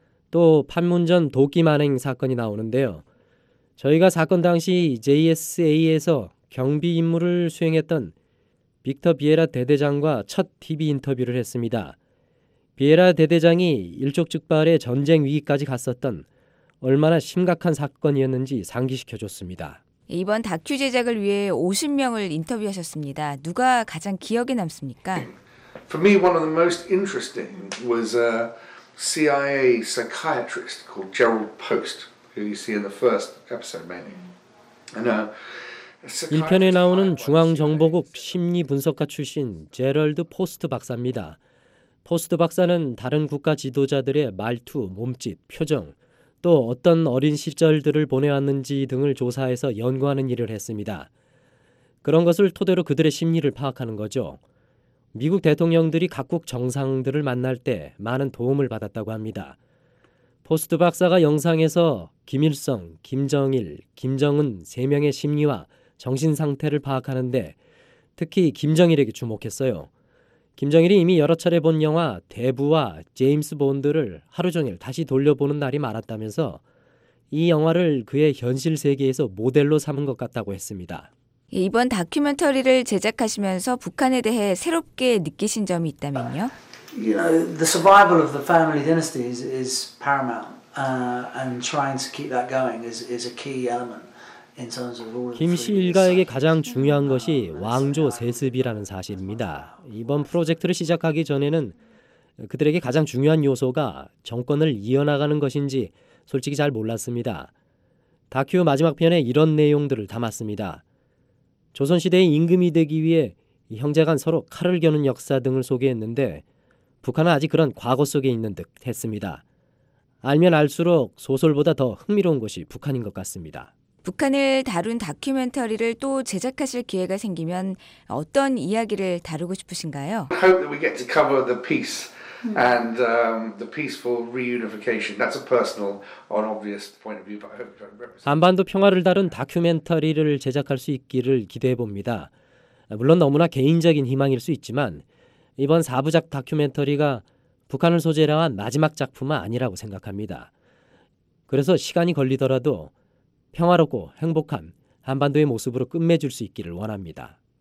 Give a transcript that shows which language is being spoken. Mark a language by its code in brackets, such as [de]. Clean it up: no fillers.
[ko] 또 판문점 도끼 만행 사건이 나오는데요. 저희가 사건 당시 JSA에서 경비 임무를 수행했던 빅터 비에라 대대장과 첫 TV 인터뷰를 했습니다. 비에라 대대장이 일촉즉발의 전쟁 위기까지 갔었던 얼마나 심각한 사건이었는지 상기시켜줬습니다. 이번 다큐 제작을 위해 50명을 인터뷰하셨습니다. 누가 가장 기억에 남습니까? [en] For me, one of the most interesting was a CIA psychiatrist called Gerald Post, who you see in the first episode mainly. And [ko] 1편에 나오는 중앙정보국 심리분석가 출신 제럴드 포스트 박사입니다. 포스트 박사는 다른 국가 지도자들의 말투, 몸짓, 표정, 또 어떤 어린 시절들을 보내왔는지 등을 조사해서 연구하는 일을 했습니다. 그런 것을 토대로 그들의 심리를 파악하는 거죠. 미국 대통령들이 각국 정상들을 만날 때 많은 도움을 받았다고 합니다. 포스트 박사가 영상에서 김일성, 김정일, 김정은 세 명의 심리와 정신 상태를 파악하는데 특히 김정일에게 주목했어요. 김정일이 이미 여러 차례 본 영화 대부와 제임스 본드를 하루 종일 다시 돌려보는 날이 많았다면서 이 영화를 그의 현실 세계에서 모델로 삼은 것 같다고 했습니다. 이번 다큐멘터리를 제작하시면서 북한에 대해 새롭게 느끼신 점이 있다면요? [en] You know, the survival of the family dynasty is paramount, and trying to keep that going is a key element in terms of all. [ko] 김 씨 일가에게 가장 중요한 것이 왕조 세습이라는 사실입니다. 이번 프로젝트를 시작하기 전에는 그들에게 가장 중요한 요소가 정권을 이어나가는 것인지 솔직히 잘 몰랐습니다. 다큐 마지막 편에 이런 내용들을 담았습니다. 조선시대의 임금이 되기 위해 형제간 서로 칼을 겨눈 역사 등을 소개했는데 북한은 아직 그런 과거 속에 있는 듯 했습니다. 알면 알수록 소설보다 더 흥미로운 것이 북한인 것 같습니다. 북한을 다룬 다큐멘터리를 또 제작하실 기회가 생기면 어떤 이야기를 다루고 싶으신가요? [en] I hope that we get to cover the peace and the peaceful reunification. That's a personal, obvious point of view. But I hope that represents. [ko] 한반도 평화를 다룬 다큐멘터리를 제작할 수 있기를 기대해 봅니다. 물론 너무나 개인적인 희망일 수 있지만 이번 4부작 다큐멘터리가 북한을 소재로 한 마지막 작품은 아니라고 생각합니다. 그래서 시간이 걸리더라도 평화롭고 행복한 한반도의 모습으로 끝맺을 수 있기를 원합니다.